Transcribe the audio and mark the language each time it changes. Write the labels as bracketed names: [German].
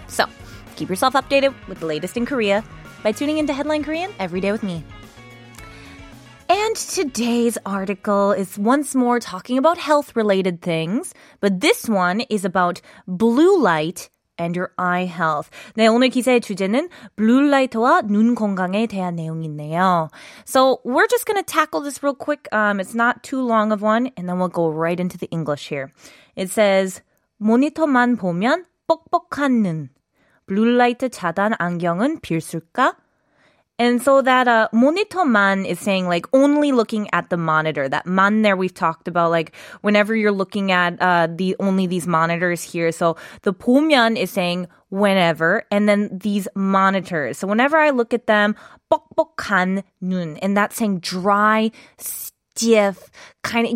[English] So, keep yourself updated with the latest in Korea by tuning into Headline Korean every day with me. And today's article is once more talking about health-related things, but this one is about blue light and your eye health. [Korean] 네, 오늘 기사의 주제는 blue light와 눈 건강에 대한 내용인데요. [English] So we're just going to tackle this real quick. It's not too long of one, and then we'll go right into the English here. It says, [Korean] 모니터만 보면 뻑뻑한 눈, blue light 차단 안경은 필수일까? [English] And so that monitor만 is saying like only looking at the monitor. That man there we've talked about, like whenever you're looking at these monitors here. So the 보면 is saying whenever, and then these monitors. So whenever I look at them, [Korean] 뻑뻑한 눈, [English] and that's saying dry, stiff, kind of.